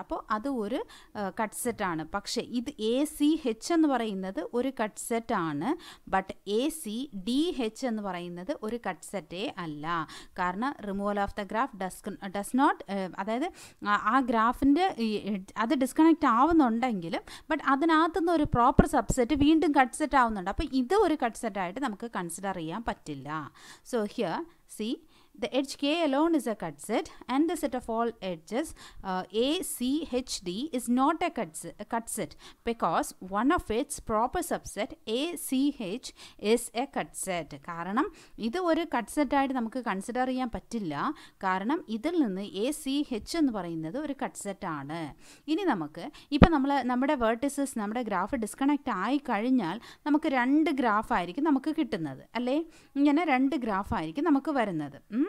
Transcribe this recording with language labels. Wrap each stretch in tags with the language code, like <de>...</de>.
<ml>അപ്പോൾ അത് ഒരു കട്ട് സെറ്റാണ്. പക്ഷേ ഇത് എ സി എച്ച് എന്ന് പറയുന്നത് ഒരു കട്ട് സെറ്റാണ്, but A C D H എന്ന് പറയുന്നത് ഒരു കട്ട് സെറ്റേ അല്ല. കാരണം</ml> <en>removal of the graph does not,</en> <ml>അതായത് ആ ഗ്രാഫിൻ്റെ അത് ഡിസ്കണക്റ്റ് ആവുന്നുണ്ടെങ്കിലും ബട്ട് അതിനകത്തുനിന്ന് ഒരു പ്രോപ്പർ സബ്സെറ്റ് വീണ്ടും കട്ട് സെറ്റ് ആവുന്നുണ്ട്. അപ്പോൾ ഇത് ഒരു കട്ട് സെറ്റായിട്ട് നമുക്ക് കൺസിഡർ ചെയ്യാൻ പറ്റില്ല.</ml> <en>So here see the edge k alone is a cut set and the set of all edges a c h d is not a cut set because one of its proper subset a c h is a cut set.</en> <ml>കാരണം ഇത് ഒരു cut set ആയിട്ട് നമുക്ക് consider ചെയ്യാൻ പറ്റില്ല. കാരണം ഇതിൽ നിന്ന് a c h എന്ന് പറയുന്നത് ഒരു കട്ട് സെറ്റ് ആണ്. ഇനി നമുക്ക് ഇപ്പോൾ നമ്മൾ നമ്മുടെ വെർട്ടിസസ് നമ്മുടെ ഗ്രാഫ് ഡിസ്കണക്റ്റ് ആയി കഴിഞ്ഞാൽ നമുക്ക് രണ്ട് ഗ്രാഫ് ആയിരിക്കും നമുക്ക് കിട്ടുന്നത് അല്ലേ. ഇങ്ങനെ രണ്ട് ഗ്രാഫ് ആയിരിക്കും നമുക്ക് വരുന്നത്.</ml>